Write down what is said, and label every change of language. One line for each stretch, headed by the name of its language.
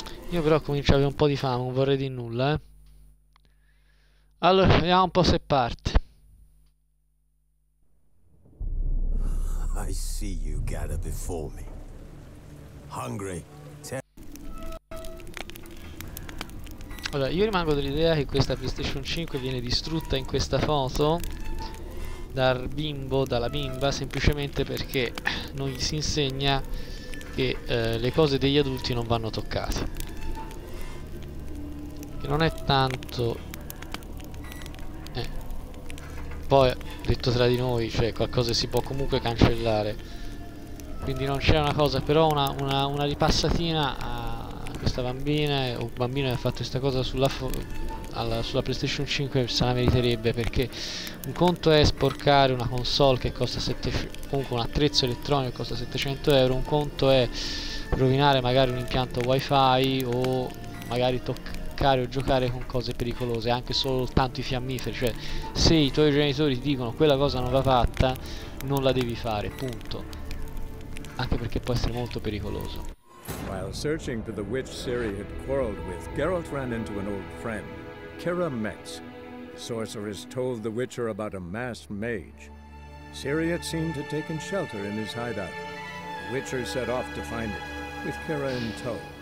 Italian: Io però comincio ad avere un po' di fame, non vorrei di nulla, eh. Allora, vediamo un po' se parte.
English: I see you gather before me. Hungry.
Italian: Allora, io rimango dell'idea che questa PlayStation 5 viene distrutta in questa foto dal bimbo, dalla bimba, semplicemente perché non gli si insegna che le cose degli adulti non vanno toccate. Che non è tanto. Poi, detto tra di noi, cioè, qualcosa si può comunque cancellare. Quindi non c'è una cosa, però una ripassatina a questa bambina, o un bambino che ha fatto questa cosa sulla PlayStation 5, se la meriterebbe, perché un conto è sporcare una console che costa 700, comunque un attrezzo elettronico che costa 700 euro, un conto è rovinare magari un impianto wifi, o magari o giocare con cose pericolose, anche soltanto i fiammiferi. Cioè, se i tuoi genitori ti dicono quella cosa non va fatta, non la devi fare, punto. Anche perché può essere molto pericoloso.
English: While searching for the witch Ciri had quarreled with, Geralt ran into an old friend, Kira Metz. The sorceress told the Witcher about a masked mage. Syriot seemed to have taken shelter in his hideout. The Witcher set off to find it, with Kira in tow.